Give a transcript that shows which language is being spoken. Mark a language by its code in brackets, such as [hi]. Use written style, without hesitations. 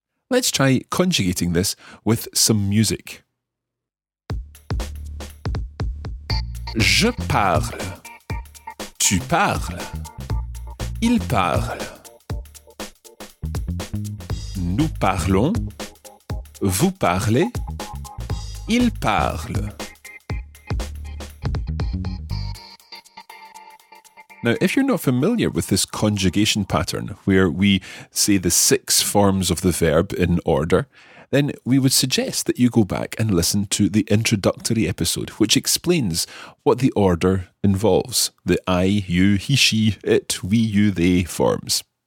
[en] Let's try conjugating this with some music. [fr] Je parle, tu parles, il parle, nous parlons, vous parlez, il parle. [en] Now, if you're not familiar with this conjugation pattern, where we say the six forms of the verb in order, then we would suggest that you go back and listen to the introductory episode, which explains what the order involves, the I, you, he, she, it, we, you, they forms.